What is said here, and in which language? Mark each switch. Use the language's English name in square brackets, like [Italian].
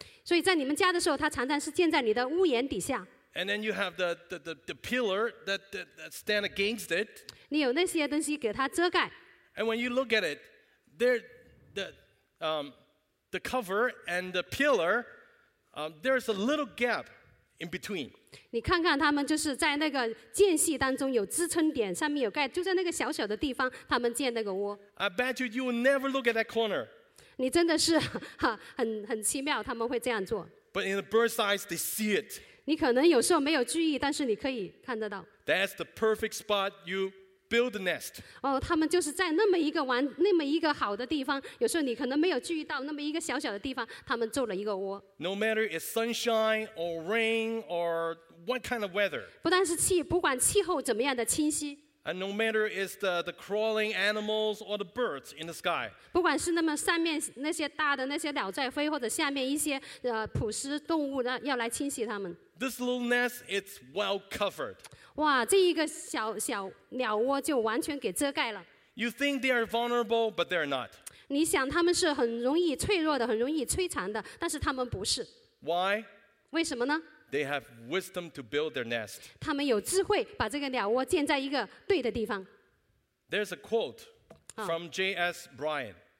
[Chinese] 所以在你们家的时候，它常常是建在你的屋檐底下。 [English] And then you have the pillar that stand against it. [Chinese] 你有那些东西给它遮盖。 [English] And when you look at it, there the cover and the pillar, there's a little gap in between. [Chinese] 你看看他们就是在那个间隙当中有支撑点，上面有盖，就在那个小小的地方，他们建那个窝。 [English] I bet you will never look at that corner. [Chinese] 你真的是很奇妙，他们会这样做。 [English] But in the bird's eyes, they see it. [Chinese] 你可能有时候没有注意，但是你可以看得到。 [English] That's the perfect spot you build the nest. [Chinese] 哦，他们就是在那么一个玩，那么一个好的地方。有时候你可能没有注意到那么一个小小的地方，他们做了一个窝。 [English] No matter it's sunshine or rain or what kind of weather. [Chinese] 不但是气，不管气候怎么样的清晰。 [English] And no matter it's the crawling animals or the birds in the sky. [Chinese] 不管是那么上面那些大的那些鸟在飞，或者下面一些捕食动物要来侵袭它们。 [English] This little nest is well covered. [Chinese] 哇，这一个小小鸟窝就完全给遮盖了。 [English] You think they are vulnerable, but they're not. [Chinese] 你想他们是很容易脆弱的，很容易摧残的，但是他们不是。 [English] Why? [Chinese] 为什么呢？ [English] They have wisdom to build their nest. [Chinese] 他们有智慧把这个鸟窝建在一个对的地方。 [English] There's a quote from J.S. Bryan.